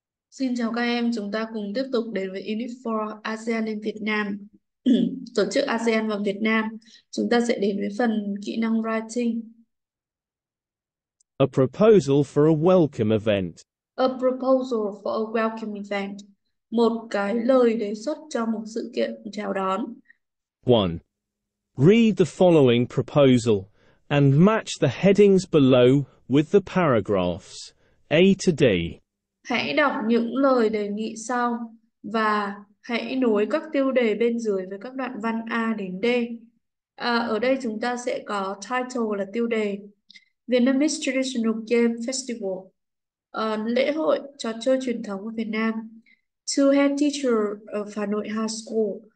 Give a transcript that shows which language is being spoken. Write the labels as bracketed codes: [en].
[vi] Xin chào các em, chúng ta cùng tiếp tục đến với Unit 4 ASEAN in Việt Nam, tổ chức ASEAN và Việt Nam. Chúng ta sẽ đến với phần kỹ năng writing. [en] A proposal for a welcome event. A proposal for a welcome event. [vi] Một cái lời đề xuất cho một sự kiện chào đón. [en] 1. Read the following proposal and match the headings below with the paragraphs A to D. [vi] Hãy đọc những lời đề nghị sau và hãy nối các tiêu đề bên dưới với các đoạn văn A đến D. Ở đây chúng ta sẽ có title là tiêu đề. [en] Vietnamese Traditional Game Festival. [vi] Lễ hội trò chơi truyền thống của Việt Nam. [en] To head teacher of Hà Nội High School.